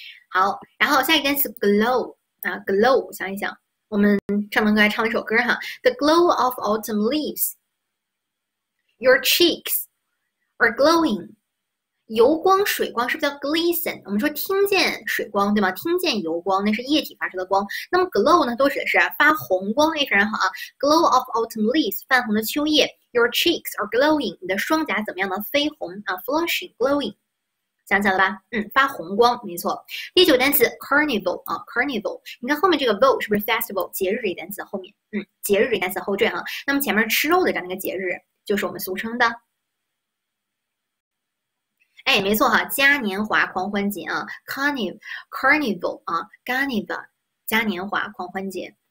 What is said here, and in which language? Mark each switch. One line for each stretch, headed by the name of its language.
Chinese: 好，然后下一个单词 glow 啊，glow，想一想，我们上门课还唱了一首歌哈，
English: The glow of autumn leaves, your cheeks are glowing。
Chinese: 油光水光是不是叫 glisten？ 我们说听见水光，对吗？听见油光，那是液体发出的光。那么 glow 呢，都指的是发红光。哎，非常好啊，glow of autumn leaves，泛红的秋叶。
English: Your cheeks are glowing，
Chinese: 你的双颊怎么样呢？绯红啊，flushing glowing。想起来了吧？发红光，没错。第九单词 carnival 啊，carnival，你看后面这个 vo 是不是 festival 节日这单词后面？节日这单词后缀哈。那么前面吃肉的这样一个节日，就是我们俗称的。哎，没错哈，嘉年华狂欢节啊，carnival 啊，carnival，嘉年华狂欢节。